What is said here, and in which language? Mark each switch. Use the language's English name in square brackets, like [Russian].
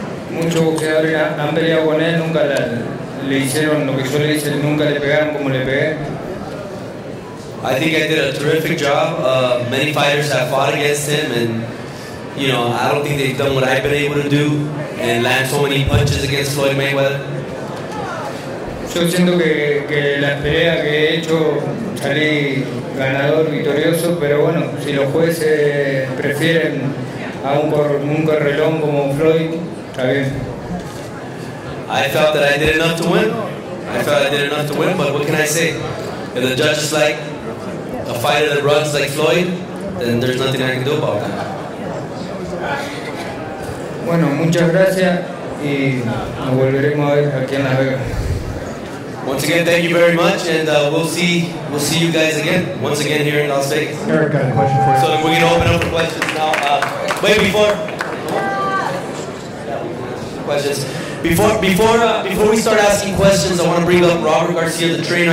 [Spanish] Muchos boxeadores han peleado con él, nunca le hicieron lo que yo le hice, nunca le pegaron como le pegué. [English] I think I did a terrific job. Many fighters have fought against him, and you know, I don't think they've done what I've been able to do and land so many punches against Floyd Mayweather. [Spanish] Yo siento que la pelea que he hecho salí ganador, victorioso, pero bueno, si los jueces prefieren a un correlón como Floyd, está bien. [English] I felt that I did enough to win. I felt I did enough to win, but what can I say? If the judge is like a fighter that runs like Floyd, then there's nothing I can do about that. [Spanish] Bueno, muchas gracias y nos volveremos a ver aquí en Las Vegas. [English] Once again, thank you very much, and we'll see you guys again, once again here in Las Vegas. Eric got a question for you. So we're going to open up for questions now. Wait, before... questions. Before we start asking questions, I want to bring up Robert Garcia, the trainer.